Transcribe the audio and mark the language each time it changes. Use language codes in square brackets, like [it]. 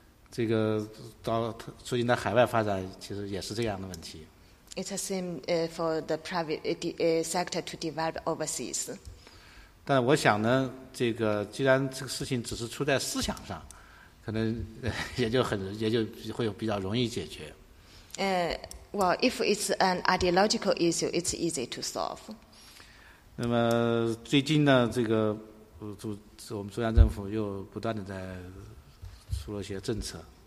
[zh] 这个到最近在海外发展，其实也是这样的问题。 [en] It's the same for the private sector to develop overseas. [zh] 但我想呢，这个既然这个事情只是出在思想上，可能也就会比较容易解决。 [en] If it's an ideological issue, it's easy to solve. [zh] 那么最近呢，这个我们中央政府又不断的在出了一些政策。